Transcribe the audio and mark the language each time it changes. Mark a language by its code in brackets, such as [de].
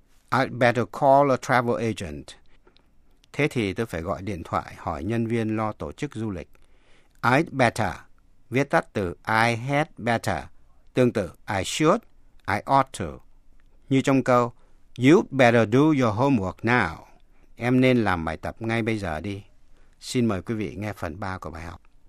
[en] I'd better call a travel agent. [vi] Thế thì tôi phải gọi điện thoại hỏi nhân viên lo tổ chức du lịch. [en] I'd better, [vi] viết tắt từ [en] I had better, [vi] tương tự [en] I should, I ought to. [vi] Như trong câu [en] You'd better do your homework now. [vi] Em nên làm bài tập ngay bây giờ đi. Xin mời quý vị nghe phần 3 của bài học.